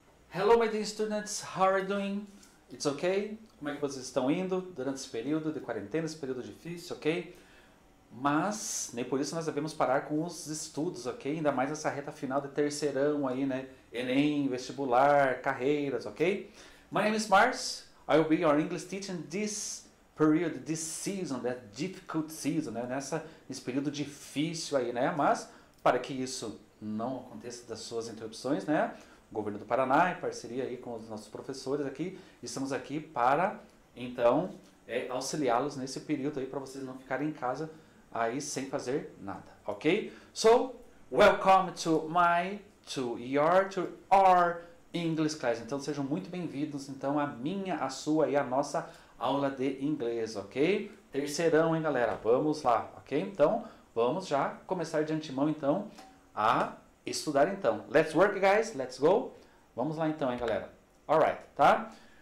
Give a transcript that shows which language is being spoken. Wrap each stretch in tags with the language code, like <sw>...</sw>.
<en>Hello, my dear students, how are you doing? It's okay?</en> <pt>Como é que vocês estão indo durante esse período de quarentena, esse período difícil, ok? Mas, nem por isso nós devemos parar com os estudos, ok? Ainda mais essa reta final de terceirão aí, né? Enem, vestibular, carreiras,</pt> <en>ok? My name is Mars. I will be your English teacher this period, this season, that difficult season, né?</en> <pt>Nesse período difícil aí, né? Mas, para que isso não aconteça das suas interrupções, né? O governo do Paraná, em parceria aí com os nossos professores aqui, estamos aqui para, então, auxiliá-los nesse período aí, para vocês não ficarem em casa aí sem fazer nada, ok?</pt> <en>So, welcome to my, to your, to our English class.</en> <pt>Então, sejam muito bem-vindos, então, à minha, à sua e à nossa aula de inglês, ok? Terceirão, hein, galera? Vamos lá, ok? Então, vamos já começar de antemão, então, a estudar, então.</pt> <en>Let's work, guys. Let's go.</en> <pt>Vamos lá, então, hein, galera. Alright, tá?</pt>